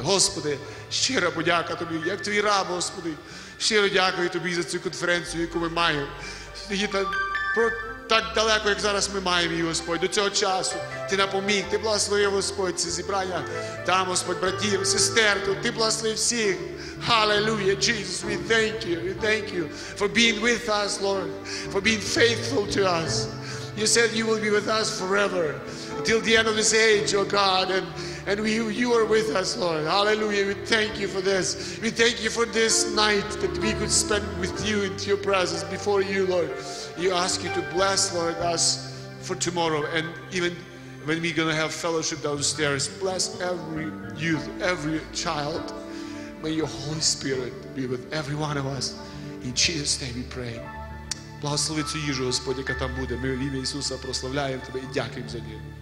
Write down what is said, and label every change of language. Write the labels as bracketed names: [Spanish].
[Ukrainian] Господи, щира подяка тобі, як твій раб, Господи. Щиро дякую тобі за цю конференцію, яку ми маємо. І так далеко, як зараз ми маємо її, Господь, до цього часу. Ти напоміг, ти благословив, Господь, ці зібрання. Там, Господь, братів, сестер, тут, ти благослови всіх. [English] Hallelujah, Jesus, we thank you for being with us, Lord, for being faithful to us. You said you will be with us forever, till the end of this age, oh God, and you are with us, Lord. Hallelujah, we thank you for this. We thank you for this night that we could spend with you in your presence before you, Lord. We ask you to bless, Lord, us for tomorrow, and even when we're going to have fellowship downstairs, bless every youth, every child. May your Holy Spirit be with every one of us. In Jesus' name we pray. [Ukrainian] Благослови цю їжу, Господь, яка там буде. Ми в ім'я Ісуса прославляємо Тебе і дякуємо за неї.